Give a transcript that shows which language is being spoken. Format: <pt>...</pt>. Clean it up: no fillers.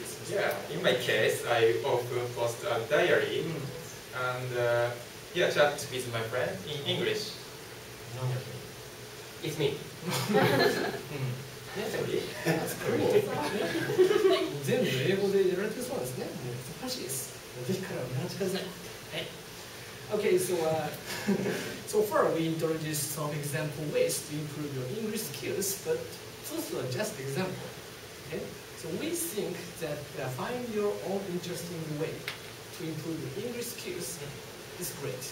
<en>Yeah, in my case, I often post a diary and chat with my friend in English. It's me.</en> <ja>全部英語でやられてそうですね。難しいです。ぜひからお願いします。</ja> <en>Okay, so far we introduced some example ways to improve your English skills, but those are just examples. Okay? So we think that find your own interesting way to improve your English skills is great.</en>